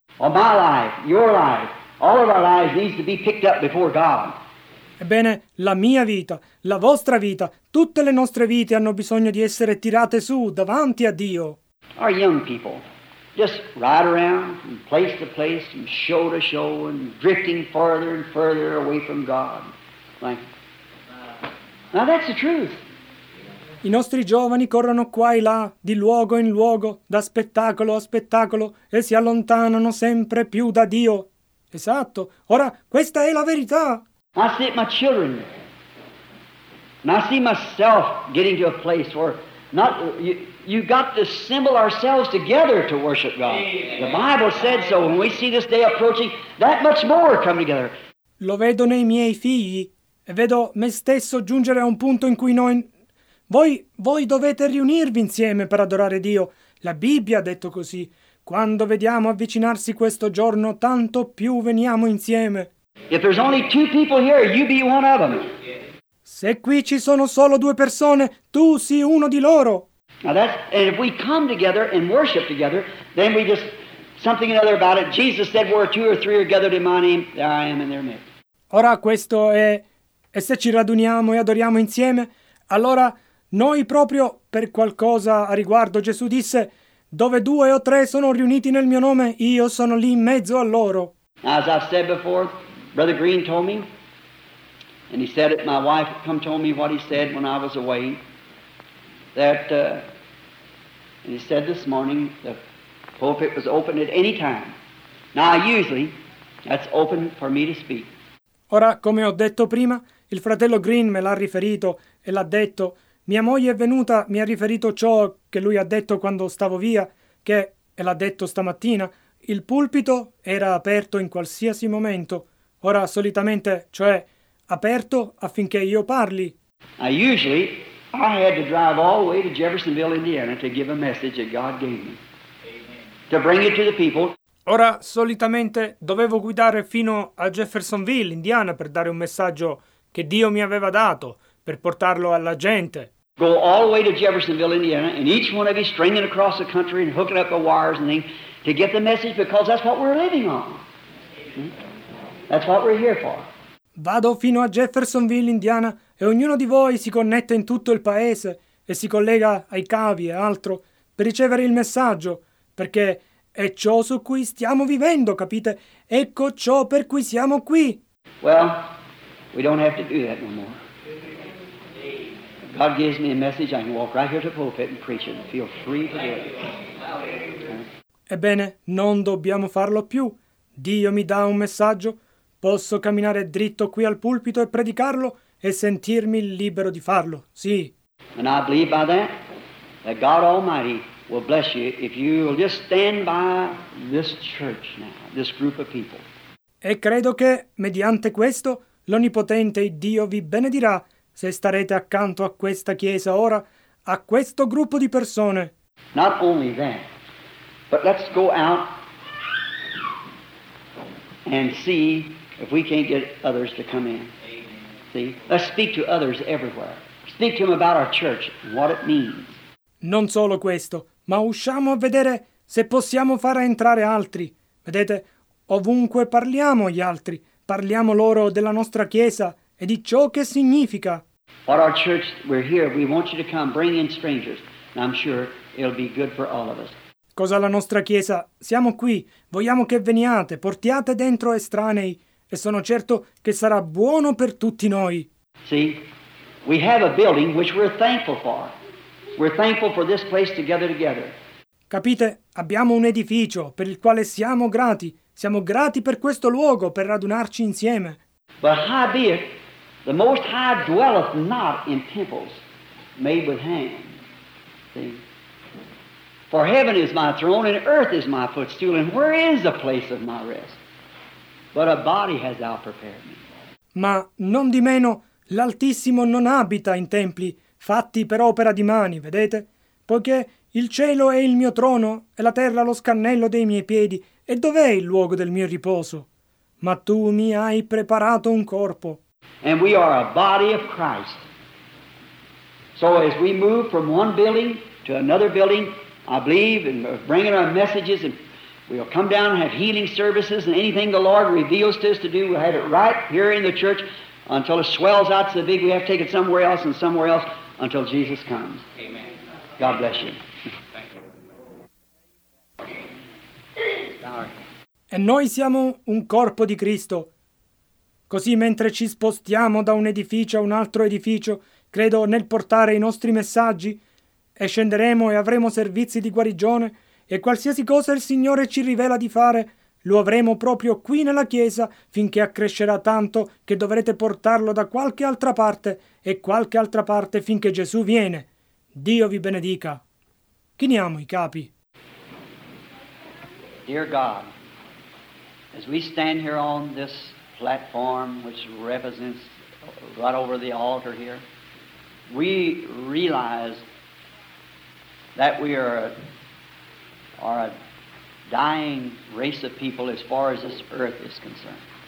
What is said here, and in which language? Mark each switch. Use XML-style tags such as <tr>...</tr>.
<en>Well, my life, your life, all of our lives needs to be picked up before God.</en> <it>Ebbene, la mia vita, la vostra vita, tutte le nostre vite hanno bisogno di essere tirate su davanti a Dio.</it> <en>Our young people. Just ride around from place to place, from show to show, and drifting farther and further away from God. Like, now that's the truth.</en> <it>I nostri giovani corrono qua e là, di luogo in luogo, da spettacolo a spettacolo, e si allontanano sempre più da Dio. Esatto. Ora, questa è la verità.</it> <en>I see my children. And I see myself getting to a place where not... You got to assemble ourselves together to worship God. The Bible said so. When we see this day approaching, that much more come together.</en> <it>Lo vedo nei miei figli e vedo me stesso giungere a un punto in cui voi dovete riunirvi insieme per adorare Dio. La Bibbia ha detto così. Quando vediamo avvicinarsi questo giorno, tanto più veniamo insieme.</it> <en>If there's only two people here, you be one of them.</en> <it>Se qui ci sono solo due persone, tu sii uno di loro.</it> <en>Now that's, and if we come together and worship together, then we just, something or another about it, Jesus said, where two or three are gathered in my name, there I am in their midst.</en> <it>Ora questo è, e se ci raduniamo e adoriamo insieme, allora noi proprio per qualcosa a riguardo, Gesù disse, dove due o tre sono riuniti nel mio nome, io sono lì in mezzo a loro.</it> <en>As I said before, Brother Green told me, and he said it, my wife come told me what he said when I was away, that, and he said this morning, the pulpit was open at any time. Now, usually, that's open for me to speak.</en> <it>Ora, come ho detto prima, il fratello Green me l'ha riferito e l'ha detto, mia moglie è venuta, mi ha riferito ciò che lui ha detto quando stavo via, che, e l'ha detto stamattina, il pulpito era aperto in qualsiasi momento. Ora, solitamente, cioè, aperto affinché io parli.</it> <en>Usually, I had to drive all the way to Jeffersonville, Indiana, to give a message that God gave me. To bring it to the people.</en> <it>Ora, solitamente, dovevo guidare fino a Jeffersonville, Indiana, per dare un messaggio che Dio mi aveva dato, per portarlo alla gente.</it> <en>Go all the way to Jeffersonville, Indiana, and each one of you stringing across the country and hooking up the wires and things to get the message, because that's what we're living on. That's what we're here for.</en> <it>Vado fino a Jeffersonville, Indiana, e ognuno di voi si connette in tutto il paese e si collega ai cavi e altro per ricevere il messaggio, perché è ciò su cui stiamo vivendo, capite? Ecco ciò per cui siamo qui.</it> <en>Well, we don't have to do that no more. God gives me a message, I can walk right here to the pulpit and preach it and feel free to do it.</en> <it>Ebbene, non dobbiamo farlo più. Dio mi dà un messaggio. Posso camminare dritto qui al pulpito e predicarlo e sentirmi libero di farlo, sì.</it> <en>And I believe by that, that God Almighty will bless you if you will just stand by this church now, this group of people.</en> <it>E credo che, mediante questo, l'Onnipotente Dio vi benedirà se starete accanto a questa chiesa ora, a questo gruppo di persone.</it> <en>Not only that, but let's go out and see if we can't get others to come in. See? Let's speak to others everywhere. Speak to them about our church and what it means.</en> <it>Non solo questo, ma usciamo a vedere se possiamo far entrare altri. Vedete, ovunque parliamo agli altri, parliamo loro della nostra chiesa e di ciò che significa.</it> <en>What our church, we're here, we want you to come, bring in strangers. And I'm sure it'll be good for all of us.</en> <it>Cosa la nostra chiesa? Siamo qui, vogliamo che veniate, portiate dentro estranei, e sono certo che sarà buono per tutti noi.</it> <en>See, we have a building which we're thankful for. We're thankful for this place together together.</en> <it>Capite? Abbiamo un edificio per il quale siamo grati. Siamo grati per questo luogo, per radunarci insieme.</it> <en>But howbeit, the Most High dwelleth not in temples made with hands. See? For heaven is my throne and earth is my footstool, and where is the place of my rest? But a body has thou prepared me.</en> <it>Ma non di meno, l'Altissimo non abita in templi fatti per opera di mani, vedete? Poiché il cielo è il mio trono e la terra lo scannello dei miei piedi, e dov'è il luogo del mio riposo? Ma tu mi hai preparato un corpo.</it> <en>And we are a body of Christ. So as we move from one building to another building, I believe in bringing our messages, and we'll come down and have healing services, and anything the Lord reveals to us to do, we'll have it right here in the church until it swells out to the big. We have to take it somewhere else and somewhere else until Jesus comes. Amen. God bless you. Thank you.</en> <it>E noi siamo un corpo di Cristo. Così mentre ci spostiamo da un edificio a un altro edificio, credo nel portare i nostri messaggi, e scenderemo e avremo servizi di guarigione, e qualsiasi cosa il Signore ci rivela di fare, lo avremo proprio qui nella Chiesa, finché accrescerà tanto che dovrete portarlo da qualche altra parte, e qualche altra parte finché Gesù viene. Dio vi benedica. Chiniamo i capi.</it> <en>Dear God, as we stand here on this platform, which represents right over the altar here, we realize that we are a dying race of people as far as this earth is concerned.</en>